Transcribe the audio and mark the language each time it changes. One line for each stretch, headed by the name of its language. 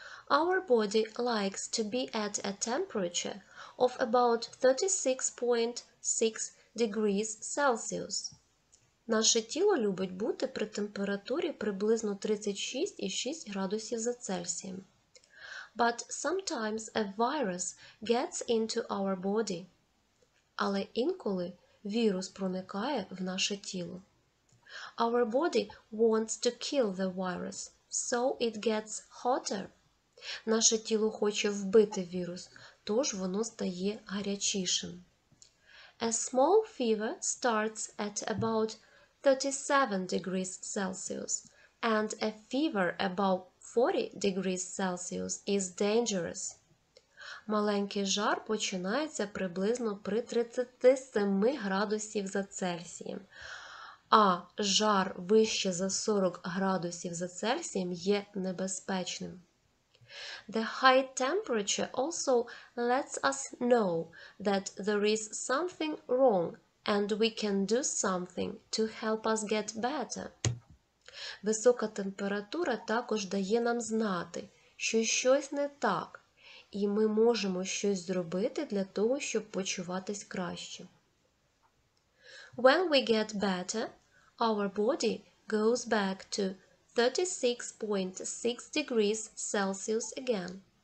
English: Our body likes to be at a temperature of about 36.6 degrees Celsius.
Ukrainian: Наше тіло любить бути при температурі приблизно 36,6 градусів за Цельсієм.
English: But sometimes a virus gets into our body.
Ukrainian: Але інколи вірус проникає в наше тіло.
English: Our body wants to kill the virus, so it gets hotter.
Ukrainian: Наше тіло хоче вбити вірус, тож воно стає гарячішим.
English: A small fever starts at about 37 degrees Celsius, and a fever above 40 degrees Celsius is dangerous.
Ukrainian: Маленький жар починається приблизно при 37 градусів за Цельсієм, а жар вище за 40 градусів за Цельсієм є небезпечним.
English: The high temperature also lets us know that there is something wrong and we can do something to help us get better.
Ukrainian: Висока температура також дає нам знати, що щось не так, і ми можемо щось зробити для того, щоб почуватись краще.
English: When we get better, our body goes back to 36.6 degrees Celsius again.